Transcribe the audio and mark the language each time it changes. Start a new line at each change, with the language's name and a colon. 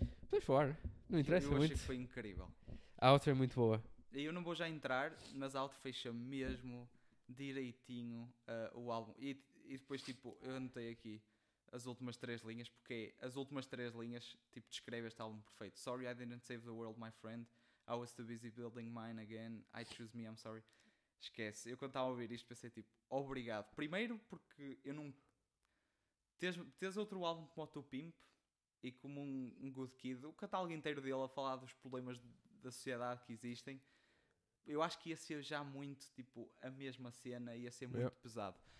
Portuguese: Pois for, não Eu interessa achei que muito. foi incrível. A outra é muito boa. Eu não vou já entrar, mas a outro fecha mesmo direitinho o álbum. E depois, tipo, eu anotei aqui as últimas três linhas, porque as últimas três linhas, tipo, descreve este álbum perfeito.
English: Sorry I didn't save the world, my friend. I was too busy building mine again. I choose me, I'm sorry.
Portuguese: Esquece. Eu quando estava a ouvir isto pensei, tipo, obrigado. Primeiro porque eu não. Tens outro álbum como o teu Pimp e como um Good Kid, o catálogo inteiro dele a falar dos problemas da sociedade que existem, eu acho que ia ser já muito tipo a mesma cena, ia ser muito pesado.